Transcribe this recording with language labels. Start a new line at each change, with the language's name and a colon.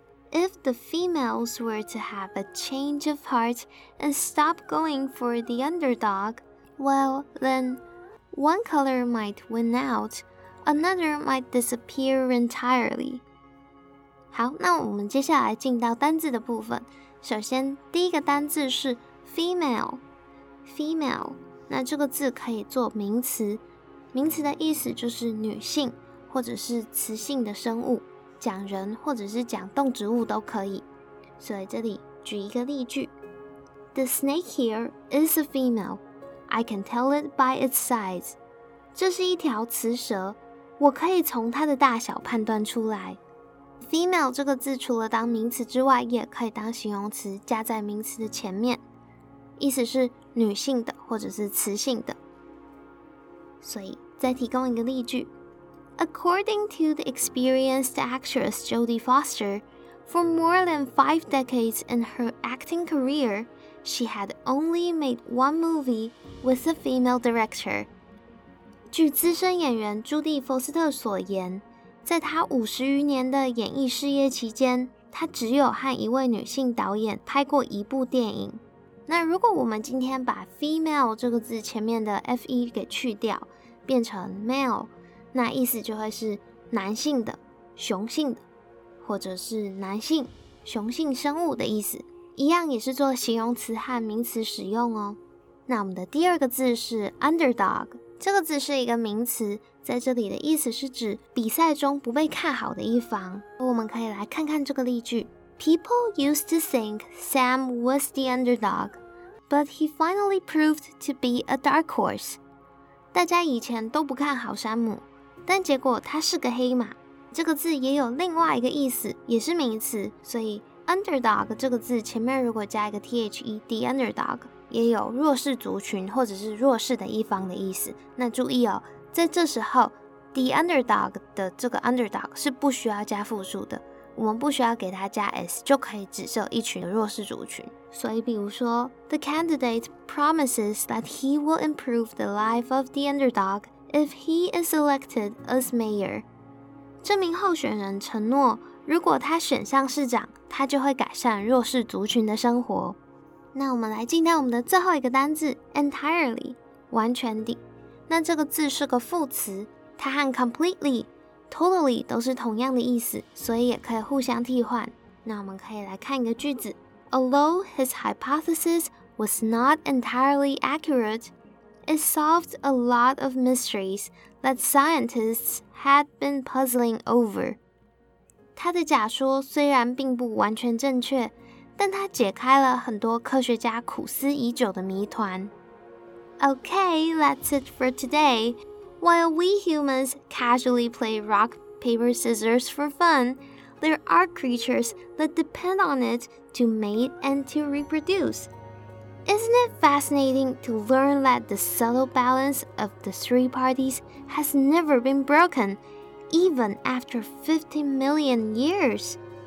English: If the females were to have a change of heart and stop going for the underdog, well then one color might win out, another might disappear entirely。
Chinese: 好，那我们接下来进到单字的部分。首先第一个单字是 female， female。那这个字可以做名词，名词的意思就是女性或者是雌性的生物，讲人或者是讲动植物都可以。所以这里举一个例句，
English: The snake here is a female, I can tell it by its size。
Chinese: 这是一条雌蛇，我可以从它的大小判断出来。 Female 这个字除了当名词之外，也可以当形容词加在名词的前面，意思是女性的或者是雌性的。所以再提供一个例句，
English: According to the experienced actress Jodie Foster, for more than 5 decades in her acting career, she had only made one movie with a female director.
Chinese: 据资深演员朱蒂·福斯特所言，在他50余年的演艺事业期间，他只有和一位女性导演拍过一部电影。那如果我们今天把 female 这个字前面的 fe 给去掉，变成 male， 那意思就会是男性的、雄性的，或者是男性、雄性生物的意思，一样也是做形容词和名词使用哦。那我们的第二个字是 underdog， 这个字是一个名词，在这里的意思是指比赛中不被看好的一方。我们可以来看看这个例句：
English: People used to think Sam was the underdog, but he finally proved to be a dark horse.
Chinese: 大家以前都不看好山姆，但结果他是个黑马。这个字也有另外一个意思，也是名词，所以 underdog 这个字前面如果加一个 the underdog，也有弱势族群或者是弱势的一方的意思。那注意哦，在这时候 the underdog 的这个 underdog 是不需要加复数的，我们不需要给它加 s 就可以指涉一群弱势族群。所以比如说
English: The candidate promises that he will improve the life of the underdog if he is elected as mayor.
Chinese: 这名候选人承诺，如果他选上市长，他就会改善弱势族群的生活。那我们来进到我们的最后一个单字 entirely， 完全的。那这个字是个副词，它和 completely、 totally 都是同样的意思，所以也可以互相替换。那我们可以来看一个句子：
English: Although his hypothesis was not entirely accurate, it solved a lot of mysteries that scientists had been puzzling over.
Chinese: 他的假说虽然并不完全正确，但它解开了很多科学家苦思已久的谜团。
English: Okay, that's it for today. While we humans casually play rock, paper, scissors for fun, there are creatures that depend on it to mate and to reproduce. Isn't it fascinating to learn that the subtle balance of the three parties has never been broken, even after 50 million years?